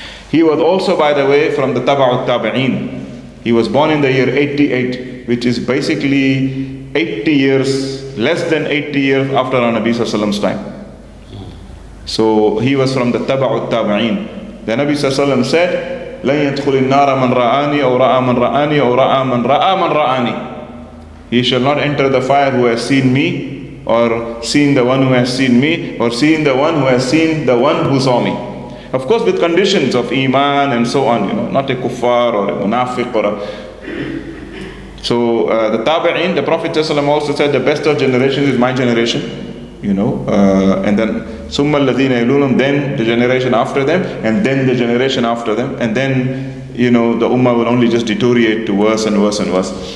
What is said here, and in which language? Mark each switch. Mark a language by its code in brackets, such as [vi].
[en] He was also, by the way, from the Taba'u al-Tabi'een. He was born in the year 88, which is basically 80 years, less than 80 years after our Nabi Sallallahu Alaihi Wasallam's time. So he was from the Taba'u al-Taba'een. [ar] The Nabi Sallallahu said, لَنْ يَدْخُلِ النَّارَ مَنْ رَآنِي أَوْ رَآ مَنْ رَآنِي أَوْ رَآ مَنْ رَآ مَنْ رَآنِي. [en] He shall not enter the fire who has seen me, or seen the one who has seen me, or seen the one who has seen the one who saw me. Of course, with conditions of iman and so on, you know, not a kuffar or a munafiq or a... So the Tabi'in, the Prophet also said, the best of generations is my generation, you know, and then summa alladhina yalunhum, then the generation after them, and then the generation after them, and then, you know, the ummah will only just deteriorate to worse and worse and worse.